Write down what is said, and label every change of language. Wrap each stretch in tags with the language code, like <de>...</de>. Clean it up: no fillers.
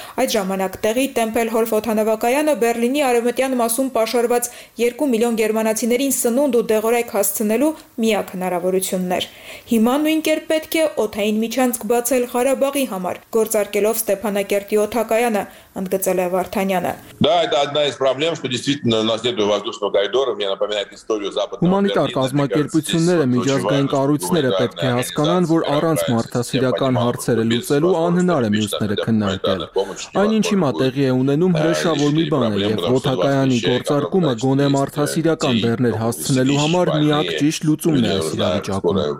<hy>Այդ ժամանակ տեղի Տեմպելհոլֆ օդանավակայանը Բեռլինի արևմտյան մասում պաշարված 2 միլիոն գերմանացիներին սնունդ ու դեղորայք հասցնելու միակ հնարավորությունն էր։ Հիմա նույն կերպ պետք է օթային միջանցք բացել Ղարաբաղի համար, գործարկելով Ստեփանակերտի օթակայանը, ընդգծել է Վարդանյանը։</hy> <ru>Да, это одна из проблем, что действительно у нас нет воздушного коридора, мне напоминает историю западного.</ru> <hy>Гуманитар կազմակերպությունները, միջազգային կառույցները պետք է հասկանան, որ առանց մարդասիրական հարցերը լուծելու անհնար է մյուսները քննարկել։ Այնինչ հիմա տեղի է ունենում, հրեշավոր մի բան է, եւ օթակայանի գործարկումը գոնե մարդասիրական բեռներ հասցնելու համար միակ ճիշտ լուծումն է այս իրավիճակը։</hy>